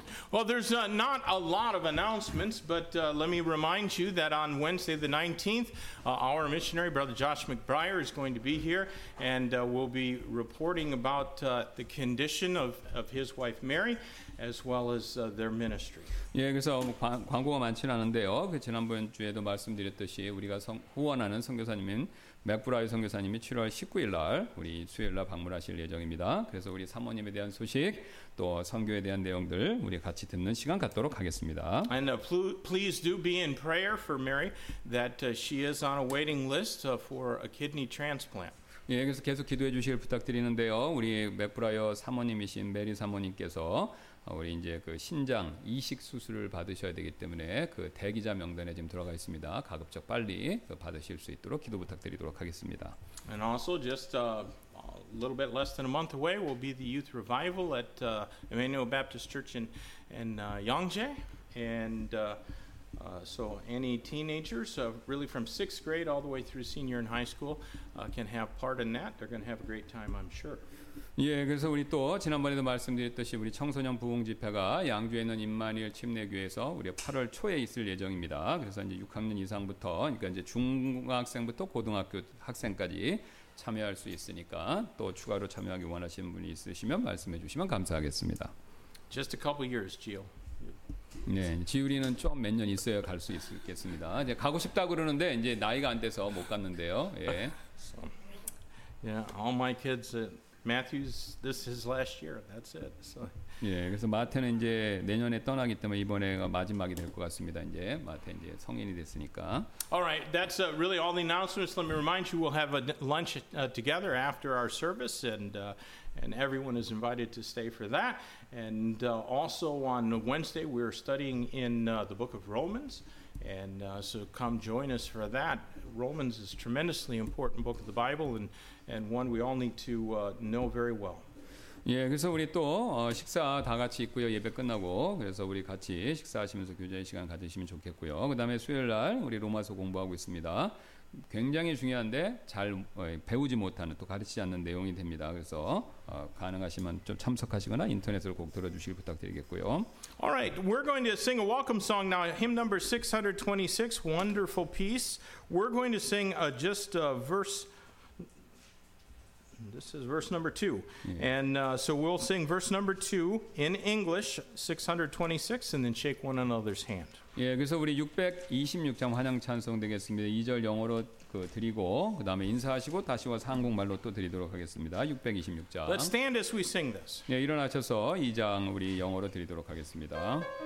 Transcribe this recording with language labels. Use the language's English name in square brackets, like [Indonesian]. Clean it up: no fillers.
[English] Well, there's not a lot of announcements, but let me remind you that on Wednesday the 19th, our missionary, Brother Josh McBriar, is going to be here, and we'll be reporting about the condition of his wife Mary, as well as their ministry. [Korean] 예, 그래서 광고가 많지는 않은데요. 그 지난번 주에도 말씀드렸듯이 우리가 후원하는 선교사님인 맥브라이 선교사님이 7월 19일 날 우리 수요일 날 방문하실 예정입니다. 그래서 우리 사모님에 대한 소식 또 선교에 대한 내용들 우리 같이 듣는 시간 갖도록 하겠습니다. [English] And please do be in prayer for Mary that she is on a waiting list for a kidney transplant. [Korean] 예, 그래서 계속 기도해 주시길 부탁드리는데요. 우리 맥브라이어 사모님이신 메리 사모님께서 우리 이제 그 신장 이식 수술을 받으셔야 되기 때문에 그 대기자 명단에 지금 들어가 있습니다. 가급적 빨리 그 받으실 수 있도록 기도 부탁드리도록 하겠습니다. [English] And also just a little bit less than a month away will be the youth revival at Emmanuel Baptist Church in Yongje. And so any teenagers really from 6th grade all the way through senior in high school can have part in that. They're going to have a great time, I'm sure. [Korean] 예, 그래서 우리 또 지난번에도 말씀드렸듯이 우리 청소년 부흥 집회가 양주에 있는 임마니엘 침례교회에서 우리 8월 초에 있을 예정입니다. 그래서 이제 6학년 이상부터 그러니까 이제 중학생부터 고등학교 학생까지 참여할 수 있으니까 또 추가로 참여하기 원하시는 분이 있으시면 말씀해 주시면 감사하겠습니다. [English] Just a couple years, Gio. [Korean] 네, 지우리는 좀 몇 년 있어야 갈 수 있겠습니다. 이제 가고 싶다 그러는데 이제 나이가 안 돼서 못 갔는데요. [English] 예. So, yeah, all my kids Matthew's this is last year. That's it. So. [Korean] 예, 그래서 마태는 이제 내년에 떠나기 때문에 이번에가 마지막이 될 것 같습니다. 이제 마태 이제 성인이 됐으니까. [English] All right, that's really all the announcements. Let me remind you, we'll have a lunch together after our service, and everyone is invited to stay for that. And also on Wednesday, we're studying in the book of Romans, and so come join us for that. Romans is a tremendously important book of the Bible, and one we all need to know very well. [Korean] 예, 그래서 우리 또 식사 다 같이 있고요. 예배 끝나고 그래서 우리 같이 식사하시면서 교제의 시간 가지시면 좋겠고요. 그다음에 수요일 날 우리 로마서 공부하고 있습니다. 굉장히 중요한데 잘 배우지 못하는 또 가르치지 않는 내용이 됩니다. 그래서 가능하시면 좀 참석하시거나 인터넷으로 꼭 들어주시길 부탁드리겠고요. [English] All right, we're going to sing a welcome song now. Hymn number 626, Wonderful Peace. We're going to sing just a verse. This is verse number 2. Yeah. And so we'll sing verse number 2 in English, 626, and then shake one another's hand. [Korean] 예, 그래서 우리 626장 환영 찬송 되겠습니다. 2절 영어로 그 드리고 그다음에 인사하시고 다시 와서 한국말로 또 드리도록 하겠습니다. 626장. [English] Let's stand as we sing this. [Korean] 예, 일어나셔서 2장 우리 영어로 드리도록 하겠습니다.